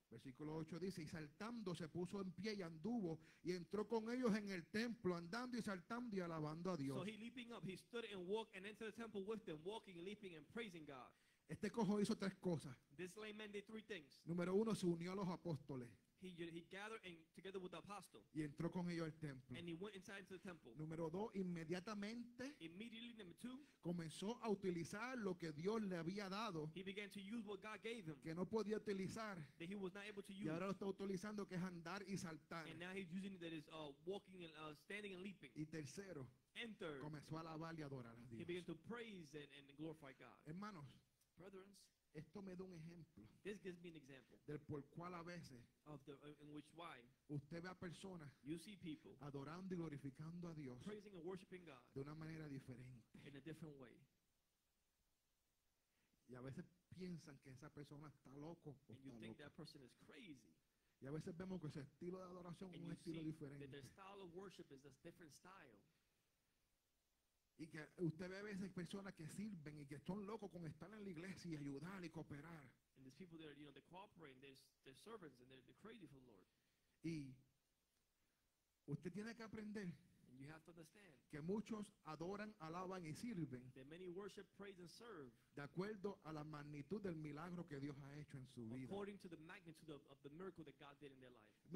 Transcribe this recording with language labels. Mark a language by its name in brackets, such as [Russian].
[Spanish] Versículo 8 dice, y saltando se puso en pie y anduvo y entró con ellos en el templo andando y saltando y alabando a Dios. [English] So he leaping up, he stood and walked and entered the temple with them, walking, leaping and praising God. [Spanish] Este cojo hizo tres cosas. [English] This lame man did three things. [Spanish] Número uno, se unió a los apóstoles. [English] he gathered and together with the apostle. [Spanish] Y entró con ellos al templo. [English] And he went inside into the temple. [Spanish] Número dos, inmediatamente. [English] Immediately, number two. [Spanish] Comenzó a utilizar lo que Dios le había dado. [English] He began to use what God gave him. [Spanish] Que no podía utilizar. [English] That he was not able to use. [Spanish] Y ahora lo está utilizando, que es andar y saltar. [English] And now he's using it, that is walking and standing and leaping. [Spanish] Y tercero. [English] And third. [Spanish] Comenzó a alabar y adorar a Dios. [English] He began to praise and glorify God. [Spanish] Hermanos. [English] Brethren. [Spanish] Esto me da un ejemplo. [English] This gives me an example. [Spanish] Del por cual a veces. [English] Of the, in which why. [Spanish] Usted ve a personas. [English] You see people. [Spanish] Adorando y glorificando a Dios. [English] Praising and worshiping God. [Spanish] De una manera diferente. [English] In a different way. [Spanish] Y a veces piensan que esa persona está loco. [English] And you think [Spanish] loco. [English] That person is crazy. [Spanish] Y a veces vemos que su estilo de adoración es un estilo diferente. [English] And you see that their style of worship is a different style. [Spanish] Y que usted ve a veces personas que sirven y que están locos con estar en la iglesia y ayudar y cooperar. [English] And these people that are, you know, they're cooperating, they're servants, and they're crazy for the Lord. [Spanish] Y usted tiene que aprender. [English] And you have to understand. [Spanish] Que muchos adoran, alaban y sirven. [English] That many worship, praise, and serve. [Spanish] De acuerdo a la magnitud del milagro que Dios ha hecho en su [English] according [Spanish] vida. [English] According to the magnitude of the miracle that God did in their life.